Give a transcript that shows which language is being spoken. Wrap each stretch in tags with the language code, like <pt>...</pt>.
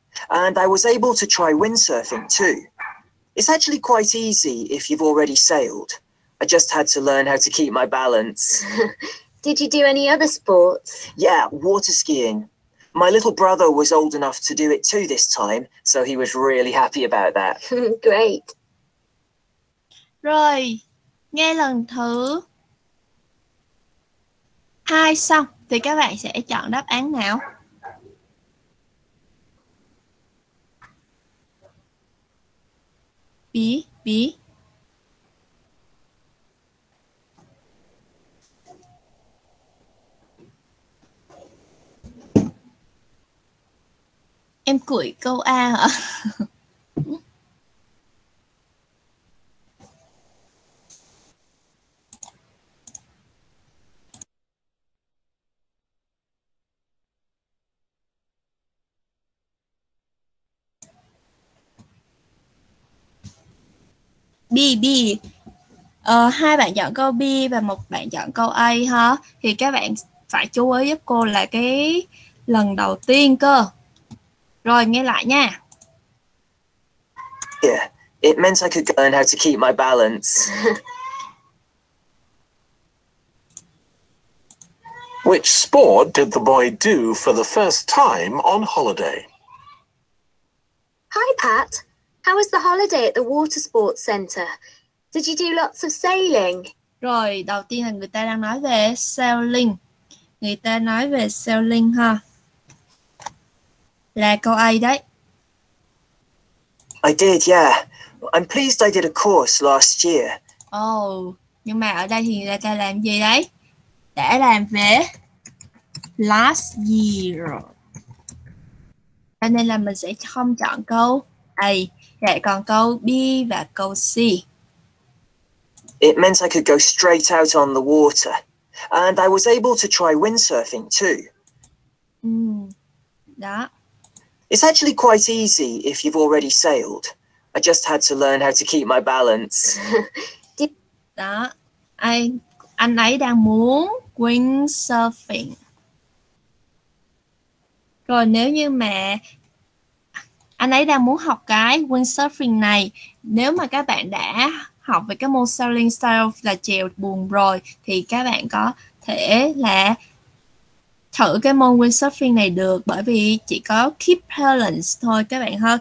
<en>And I was able to try windsurfing too. It's actually quite easy if you've already sailed. I just had to learn how to keep my balance. Did you do any other sports? Yeah, water skiing. My little brother was old enough to do it too this time, so he was really happy about that. Great.</en> <vi>Rồi, nghe lần thứ hai xong thì các bạn sẽ chọn đáp án nào? B. Em cười câu A hả? B. Hai bạn chọn câu B và một bạn chọn câu A ha. Thì các bạn phải chú ý giúp cô là cái lần đầu tiên cơ. Rồi nghe lại nha.</vi> <en>Yeah, it meant I could learn how to keep my balance. Which sport did the boy do for the first time on holiday? Hi Pat. How was the holiday at the water sports center? Did you do lots of sailing?</en> <vi>Rồi, đầu tiên là người ta đang nói về sailing. Người ta nói về sailing ha. Là câu A đấy.</vi> <en>I did, yeah. I'm pleased I did a course last year.</en> <vi>Oh, nhưng mà ở đây thì người ta làm gì đấy? Đã làm về</vi> <en>last year.</en> <vi>Cho nên là mình sẽ không chọn câu A. Dạ, còn câu B và câu C.</vi> <en>It meant I could go straight out on the water. And I was able to try windsurfing too.</en> <vi>Đó.</vi> <en>It's actually quite easy if you've already sailed. I just had to learn how to keep my balance.</en> <vi>Đó. Anh ấy đang muốn windsurfing. Rồi nếu như mà anh ấy đang muốn học cái windsurfing này, nếu mà các bạn đã học về cái môn sailing style là chèo buồm rồi thì các bạn có thể là thử cái môn windsurfing này được, bởi vì chỉ có</vi> <en>keep balance</en> <vi>thôi các bạn ha.</vi>